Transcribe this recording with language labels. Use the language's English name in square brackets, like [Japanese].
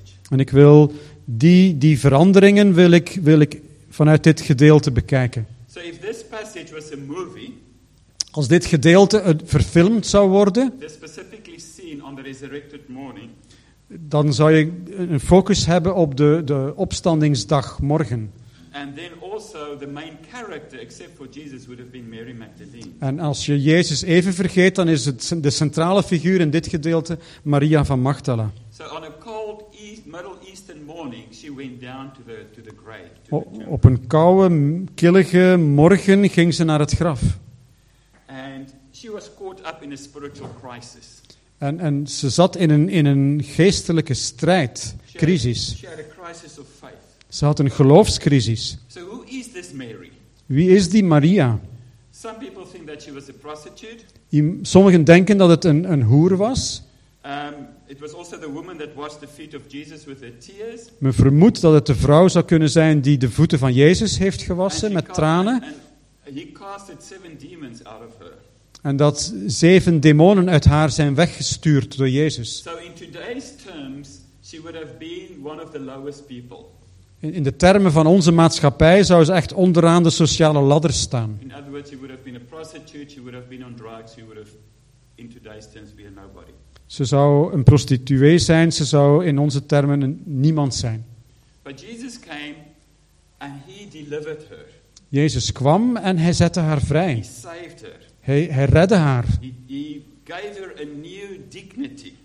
[Dutch] En ik wil die veranderingen wil ik vanuit dit gedeelte bekijken. [English] So if this passage was a movie, [Dutch] als dit gedeelte verfilmd zou worden, [English] specifically seen on the resurrected morning, [Dutch] dan zou je een focus hebben op de opstandingsdag morgen. [English] And then also the main character, except for Jesus, would have been Mary Magdalene. [Dutch] En als je Jezus even vergeet, dan is het de centrale figuur in dit gedeelte Maria van Magdala. [English] So on a cold Middle Eastern morning, she went down to the grave. [Dutch] Op een koude, killige morgen ging ze naar het graf. [English] And she was caught up in a spiritual crisis. [Dutch] En ze zat in een geestelijke strijd, crisis. [English] She had a crisis of faith. [Dutch] Ze had een geloofscrisis. [English] So who is this Mary? [Dutch] Wie is die Maria? [English] Some people think that she was a prostitute. [Dutch] Sommigen denken dat het een hoer was. [English] It was also the woman that washed the feet of Jesus with her tears. [Dutch] Men vermoedt dat het de vrouw zou kunnen zijn die de voeten van Jezus heeft gewassen met tranen. [English] And he casted 7 demons out of her. [Dutch] En dat 7 demonen uit haar zijn weggestuurd door Jezus. [English] So in today's terms, she would have been one of the lowest people. [Dutch] In de termen van onze maatschappij zou ze echt onderaan de sociale ladder staan. [English] In other words, she would have been a prostitute, she would have been on drugs, she would have in today's terms been a nobody. [Dutch] Ze zou een prostituee zijn, ze zou in onze termen een niemand zijn. [English] But Jesus came and he delivered her. [Dutch] Jezus kwam en hij zette haar vrij. [English] He saved her. [Dutch] Hij redde haar. [English] He gave her a new dignity.